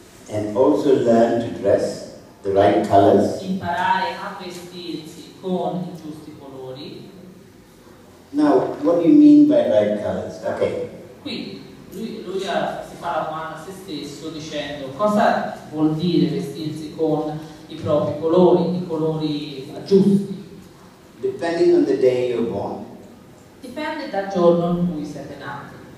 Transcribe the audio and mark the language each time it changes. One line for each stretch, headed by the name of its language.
English: And also learn to dress the right colors.
Italian: Imparare a vestirsi con i giusti colori.
English: Now, what do you mean by right colors? Okay.
Italian: Lui si fa la domanda a se stesso dicendo cosa vuol dire vestirsi con i propri colori, i colori giusti.
English: Depending on the day you're born.
Italian: Dipende dal giorno in cui siete nati.